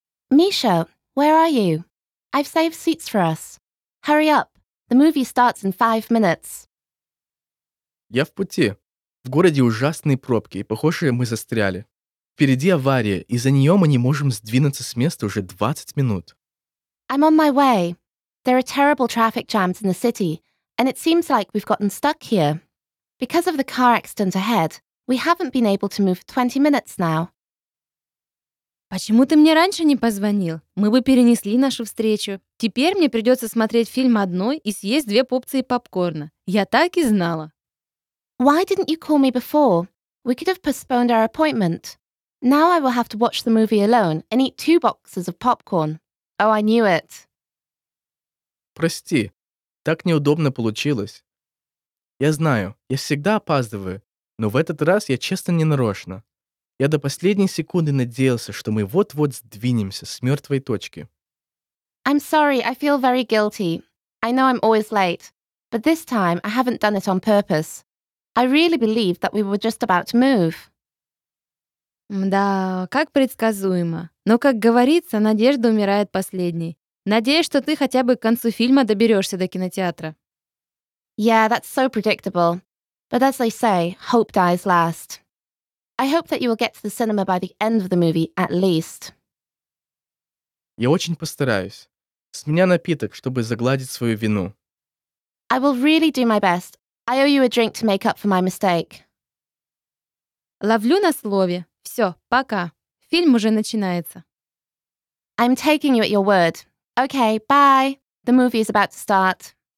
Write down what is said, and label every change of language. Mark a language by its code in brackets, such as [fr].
[en] Миша, where are you? I've saved seats for us. Hurry up. The movie starts in 5 minutes. [ru] Я в пути. В городе ужасные пробки, и похоже, мы застряли. Впереди авария, из-за нее мы не можем сдвинуться с места уже 20 минут. [en] I'm on my way. There are terrible traffic jams in the city, and it seems like we've gotten stuck here. Because of the car accident ahead, we haven't been able to move 20 minutes now. [ru] Почему ты мне раньше не позвонил? Мы бы перенесли нашу встречу. Теперь мне придется смотреть фильм одной и съесть 2 порции попкорна. Я так и знала. [en] Why didn't you call me before? We could have postponed our appointment. Now I will have to watch the movie alone and eat 2 boxes of popcorn. Oh, I knew it. [ru] Прости, так неудобно получилось. Я знаю, я всегда опаздываю, но в этот раз я честно не нарочно. Я до последней секунды надеялся, что мы вот-вот сдвинемся с мертвой точки. [en] I'm sorry, I feel very guilty. I know I'm always late, but this time I haven't done it on purpose. I really believed that we were just about to move. [ru] Да, как предсказуемо. Но, как говорится, надежда умирает последней. Надеюсь, что ты хотя бы к концу фильма доберешься до кинотеатра. [en] Yeah, that's so predictable. But as they say, hope dies last. I hope that you will get to the cinema by the end of the movie, at least. [ru] Я очень постараюсь. С меня напиток, чтобы загладить свою вину. [en] I will really do my best. I owe you a drink to make up for my mistake. [ru] Ловлю на слове. Все, пока. Фильм уже начинается. [en] I'm taking you at your word. Okay, bye. The movie is about to start.